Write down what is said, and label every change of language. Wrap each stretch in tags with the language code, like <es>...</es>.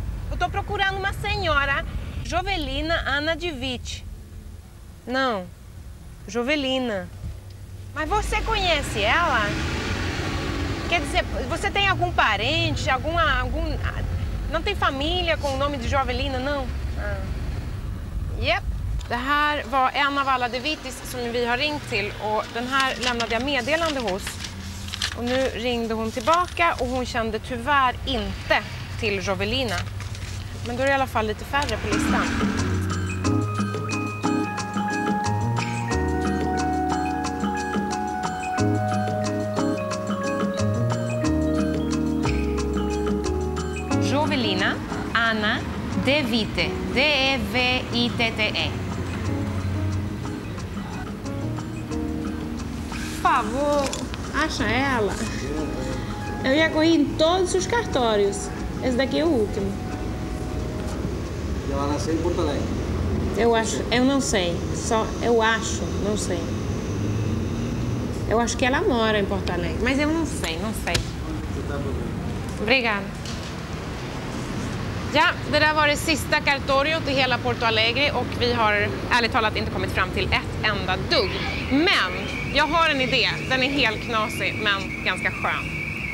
<pt>Eu tô procurando uma senhora, Jovelina Ana De Vite. Não, Jovelina. Mas você conhece ela? Quer dizer, você tem algum parente, algum... Não tem família com o nome de Jovelina, não? Ah. Yep.</pt> <sv>Det här var en av alla De Vites som vi har ringt till. Och den här lämnade jag meddelande hos. Och nu ringde hon tillbaka och hon kände tyvärr inte till Jovelina. Men då är det i alla fall lite färre på listan. Jovelina Ana De Vite. D-E-V-I-T-T-E.</sv> <pt>Por favor, acha ela. Eu já corri em todos os cartórios. Esse daqui é o último. Ela nasceu em Porto Alegre. Eu acho, eu não sei. Só eu acho, não sei. Eu acho que ela mora em Porto Alegre, mas eu não sei. Obrigada.</pt> <sv>Ja, det där var det sista kartoriot i hela Porto Alegre och vi har ärligt talat inte kommit fram till ett enda dugg. Men jag har en idé. Den är helt knasig men ganska skön.</sv>